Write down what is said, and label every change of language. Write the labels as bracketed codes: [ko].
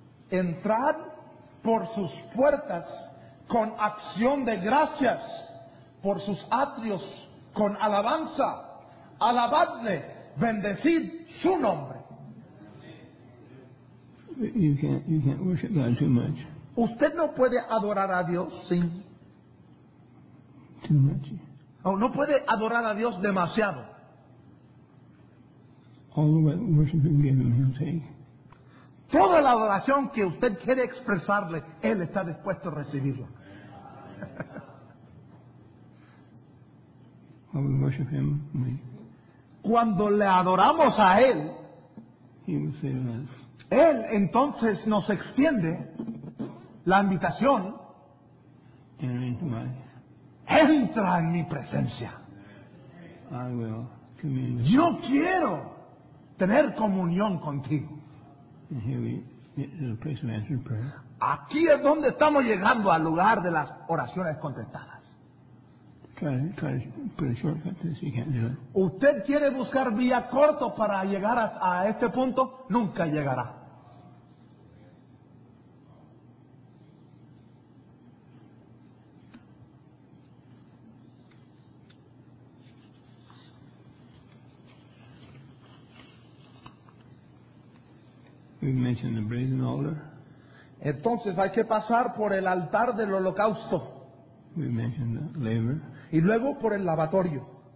[es] Entrad por sus puertas con acción de gracias, por sus atrios con alabanza. Alabadle, bendecid su nombre. [en] You can't worship God too much. [es] Usted no puede adorar a Dios sin. [en] Too much. [es] Oh, no puede adorar a Dios demasiado. [en] All the worship you give him, he'll take. [es] Toda la adoración que usted quiere expresarle, él está dispuesto a recibirla. [en] While we worship him, we... [es] Cuando le adoramos a él, [en] he will save us. [es] Él entonces nos extiende la invitación. Entra en mi presencia. [en] I will commune. [es] Yo quiero tener comunión contigo. [en] And here we get to the place of answered prayer. [es] Aquí es donde estamos llegando al lugar de las oraciones contestadas. [en] Try to put a shortcut to this. You can't do it. [es] Usted quiere buscar vía corto para llegar a este punto, nunca llegará. [en] We mentioned the brazen altar. [es] Entonces hay que pasar por el altar del holocausto. [en] We mentioned the laver. [es] Y luego por el lavatorio.